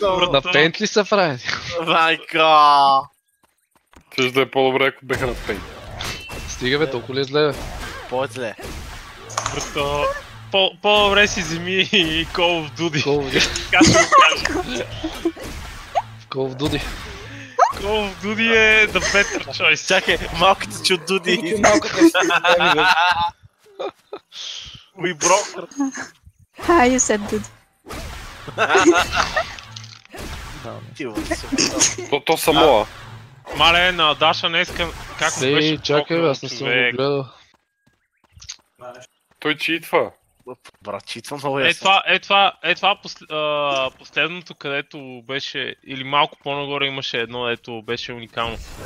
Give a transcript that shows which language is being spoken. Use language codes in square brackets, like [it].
[bg] На пейнт ли са правени? Майка! Чеш да е по-добре, ако беха на пейнт. Стига, бе, толкова ли е зле, бе? По-зле. Брато, по-добре си вземи и Call of Duty. [en] Call of Duty. Call of Duty. Call of Duty е the better choice. [bg] Чакай, малката чу Duty. [en] We broke her. Ха, you said Duty. [bg] То само. Мале, на Даша не искам... Как се беше? Чакай, аз не съм го гледал. Той читва. Брат, читва много ясно. Е това последното, където беше, или малко по-нагоре имаше едно, ето беше уникално.